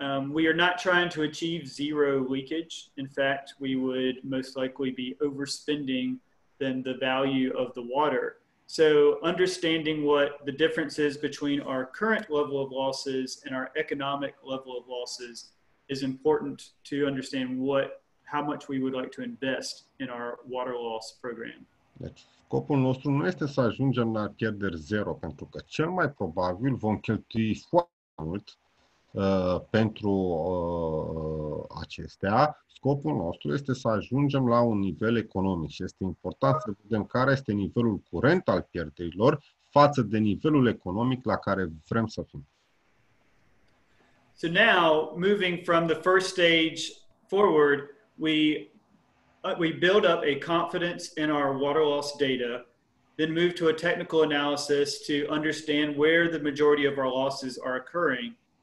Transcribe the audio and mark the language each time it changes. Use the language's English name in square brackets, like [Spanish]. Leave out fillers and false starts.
[English] We are not trying to achieve zero leakage. In fact, we would most likely be overspending than the value of the water. So understanding what the difference is between our current level of losses and our economic level of losses is important to understand how much we would like to invest in our water loss program. [Romanian] Deci, scopul nostru nu este să ajungem la pierderi zero, pentru că cel mai probabil vom cheltui foarte mult pentru acestea. Scopul nostru este să ajungem la un nivel economic și este important să vedem care este nivelul curent al pierderilor față de nivelul economic la care vrem să fim. [English] So now, moving from the first stage forward, we build up a confidence in our water loss data, then move to a technical analysis to understand where the majority of our losses are occurring.